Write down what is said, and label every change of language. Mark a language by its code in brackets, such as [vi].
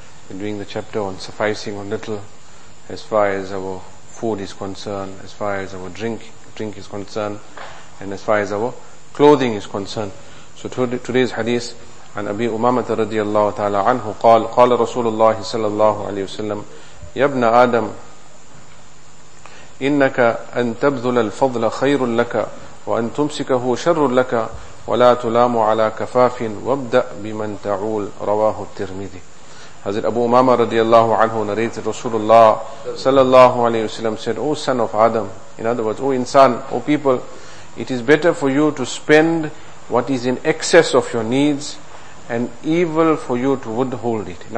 [en] We're doing the chapter on sufficing on little as far as our food is concerned, as far as our drink is concerned, and as far as our clothing is concerned. So today's hadith [ar] عن أبي أمامة رضي الله تعالى عنه قال قال رسول الله صلى الله عليه وسلم يا ابن آدم إنك أن تبذل الفضل خير لك وأن تمسكه شر لك ولا تلام على كفاف وابدأ بمن تعول رواه الترمذي. [en] Hazrat Abu Umama radiallahu anhu narrated, Rasulullah sallallahu alayhi wa sallam said, O son of Adam, in other words, O insan, O people, it is better for you to spend what is in excess of your needs and evil for you to withhold it.